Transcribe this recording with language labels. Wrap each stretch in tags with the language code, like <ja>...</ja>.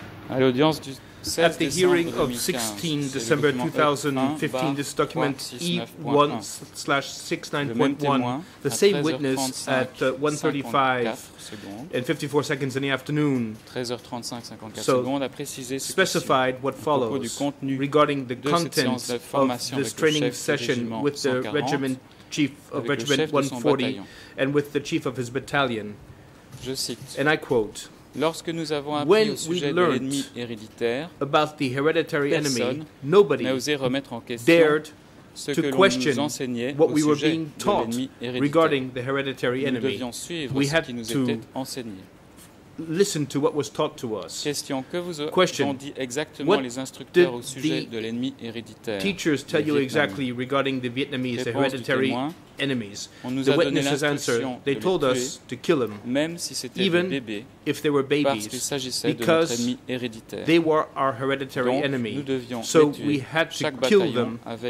<en>At the hearing of 16 December 2015, this document E1/69.1, the same witness at 1:35 and 54 seconds in the afternoon, so specified what follows regarding the content of this training session with the regiment chief of regiment 140 and with the chief of his battalion. And I quote,</en> <fr>lorsque nous avons appris au sujet de l'ennemi héréditaire,</fr> <en>about the hereditary enemy, nobody dared to question what we were being taught regarding the hereditary enemy. We had to listen to what was taught to us.</en> <fr>Question, que vous ont dit exactement les instructeurs au sujet de l'ennemi héréditaire?</fr> <en>Teachers tell you exactly regarding the Vietnamese, the hereditary enemies. The witnesses answer, they told us to kill them,</en> <fr>même si c'était</fr> <en>even</en> <fr>des bébés,</fr> <en>if they were babies, because they were our hereditary enemy.</en> <fr>Donc,</fr> <en>so we had to kill them.</en>